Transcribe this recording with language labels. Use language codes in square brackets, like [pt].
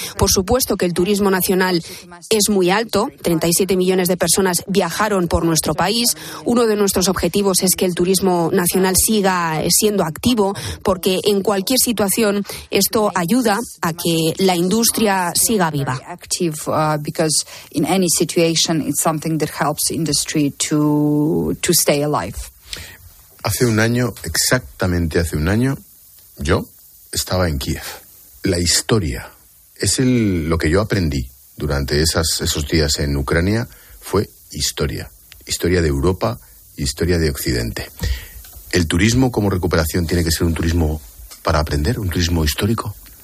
[es] Por supuesto que el turismo nacional es muy alto. 37 millones de personas viajaron por nuestro país. Uno de nuestros objetivos es que el turismo nacional siga siendo activo, porque en cualquier situación esto ayuda a que la industria siga viva. [en] Because in any situation it's something that helps industry to stay alive. [es] Hace un año, exactamente hace un año, yo estaba en Kiev. La historia es lo que yo aprendí durante esos días en Ucrania, fue historia. Historia de Europa, historia de Occidente. ¿El turismo como recuperación tiene que ser un turismo para aprender, un turismo histórico?